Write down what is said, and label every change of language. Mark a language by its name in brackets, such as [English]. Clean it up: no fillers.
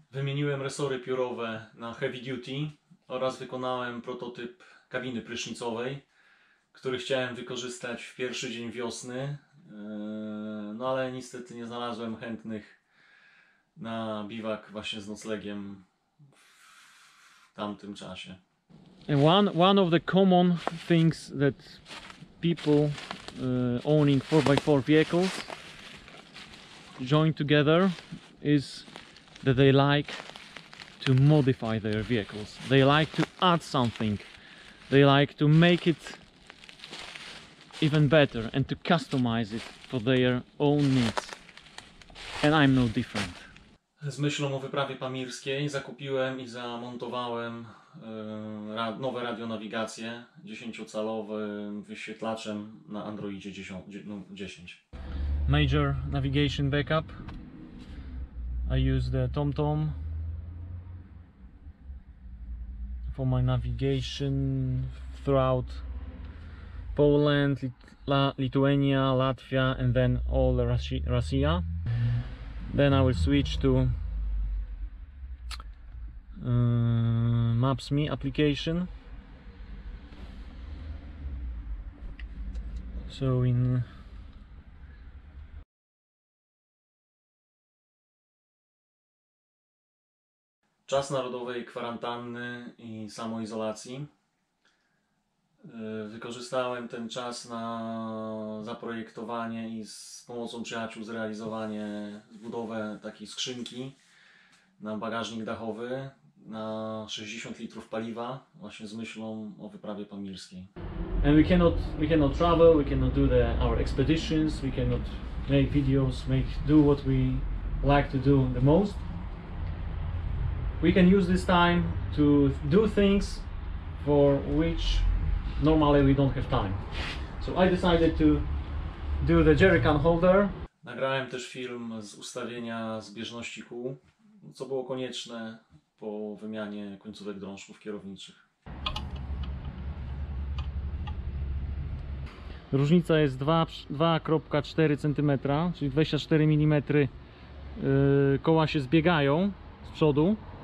[Polish] Wymieniłem resory piórowe na heavy duty oraz wykonałem prototyp kabiny prysznicowej, który chciałem wykorzystać w pierwszy dzień wiosny, no ale niestety nie znalazłem chętnych na biwak właśnie z noclegiem w tamtym czasie. [English] And one of the common things that people owning 4x4 vehicles join together is that they like to modify their vehicles. They like to add something. They like to make it even better and to customize it for their own needs. And I'm no different. [Polish] Z myślą o wyprawie pamirskiej zakupiłem i zamontowałem nowe radionawigacje 10-calowym wyświetlaczem na Androidzie 10. [English] Major navigation backup. I use the TomTom for my navigation throughout Poland, Lithuania, Latvia and then all Russia. Then I will switch to MapsMe application. So in [Polish] czas narodowej kwarantanny i samoizolacji. Wykorzystałem ten czas na zaprojektowanie i z pomocą przyjaciół zrealizowanie budowę takiej skrzynki na bagażnik dachowy na 60 litrów paliwa właśnie z myślą o wyprawie pamirskiej. [English] And we cannot travel, we cannot do our expeditions, we cannot make videos, do what we like to do the most. We can use this time to do things for which normally we don't have time. So I decided to do the jerrycan holder. [Polish] Nagrałem też film z ustawienia zbieżności kół, co było konieczne po wymianie końcówek drążków kierowniczych. Różnica jest 2,4 cm, czyli 24 mm koła się zbiegają z przodu.